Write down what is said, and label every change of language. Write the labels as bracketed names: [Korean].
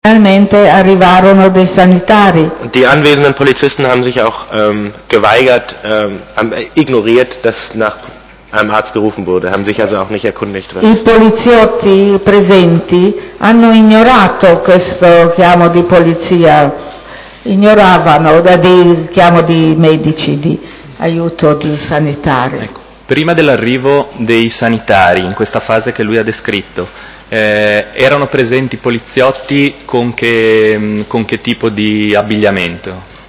[Italian] Finalmente arrivarono dei sanitari. [German] Die anwesenden Polizisten haben sich auch geweigert, ignoriert, dass nach einem Arzt gerufen wurde, haben sich also auch nicht erkundigt. [Italian] I poliziotti presenti hanno ignorato questo chiamo di polizia, ignoravano il chiamo di medici, di aiuto di sanitari. Ecco, prima dell'arrivo dei sanitari, in questa fase che lui ha descritto, erano presenti poliziotti con che tipo di abbigliamento?